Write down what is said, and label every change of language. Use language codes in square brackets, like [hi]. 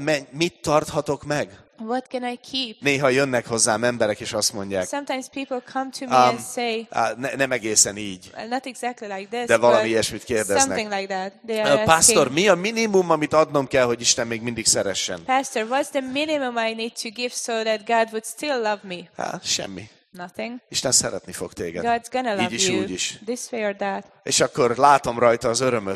[hu] Mit tarthatok meg? [en] What can I keep? [hu] Néha jönnek hozzám emberek, és azt mondják. [en] Sometimes people come to me and say. [hu] Nem egészen így. [en] Not exactly like this. [hu] De valami ilyesmit kérdeznek. [en] Something like that. They are asking. [hu] Pastor, mi a minimum, amit adnom kell, hogy Isten még mindig szeressen? [en] Pastor, what's the minimum I need to give so that God would still love me? [hu] Semmi. [en] Nothing. [hu] Isten szeretni fog téged. [en] God's gonna love [hu] így is, [en] you. [hu] Úgy is. [en] This way or that. [hu] És akkor látom rajta az örömöt.